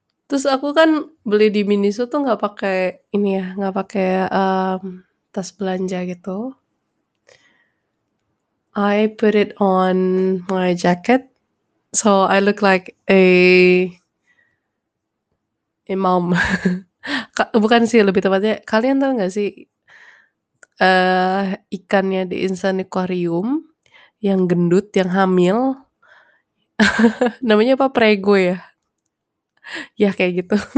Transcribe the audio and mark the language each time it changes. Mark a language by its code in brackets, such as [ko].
[id] Terus aku kan beli di Miniso tuh nggak pakai ini ya, nggak pakai tas belanja gitu. [en] I put it on my jacket, so I look like a imam. [id] Bukan sih, lebih tepatnya kalian tahu nggak sih ikannya di Insan Aquarium yang gendut yang hamil namanya apa, prego ya. Ya kayak gitu.